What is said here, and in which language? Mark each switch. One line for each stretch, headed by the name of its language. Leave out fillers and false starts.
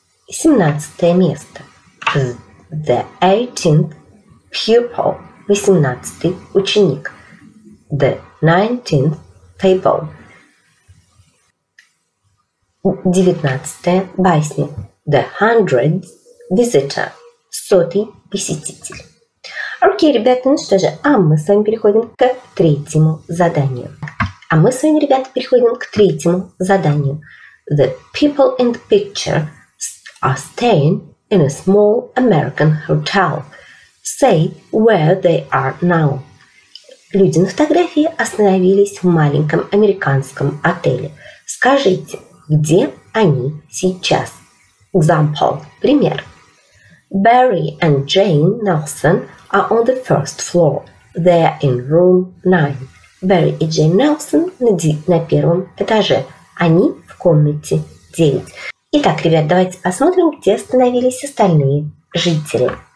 English: 17th место, the 18th pupil, 18th ученик, the 19th table, 19th басня, the 100th visitor, 100th посетитель.
Russian: Окей, ребята, ну что же, а мы с вами переходим к третьему заданию. А мы с вами, ребята, переходим к третьему заданию.
English: The people in the picture are staying in a small American hotel. Say where they are now.
Russian: Люди на фотографии остановились в маленьком американском отеле. Скажите, где они сейчас? Example. Пример.
English: Barry and Jane Nelson are on the first floor. They are in room 9.
Russian: Барри и Джейн Нелсон на первом этаже. Они в комнате 9. Итак, ребят, давайте посмотрим, где остановились остальные жители.